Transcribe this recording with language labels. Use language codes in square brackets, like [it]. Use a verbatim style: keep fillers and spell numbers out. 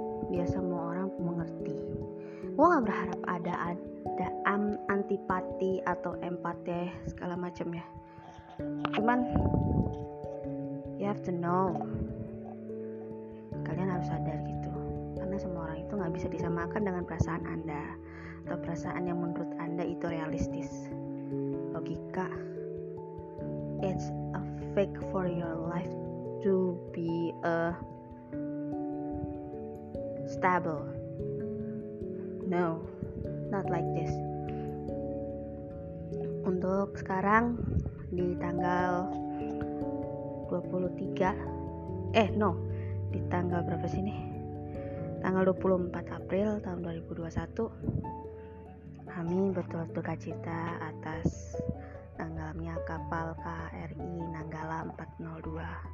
[id] Biar semua orang mengerti. Gue nggak berharap ada ada am, antipati atau empati segala macam ya. Cuman [en] you have to know. [id] Kalian harus sadar gitu, karena semua orang itu gak bisa disamakan dengan perasaan Anda atau perasaan yang menurut Anda itu realistis logika. [en] It's a fact for your life to be a stable. No, not like this. [id] Untuk sekarang di tanggal dua puluh tiga eh no di tanggal berapa sih nih? Tanggal dua puluh empat April tahun dua ribu dua puluh satu, kami berduka cita atas tenggelamnya kapal K R I Nanggala empat nol dua.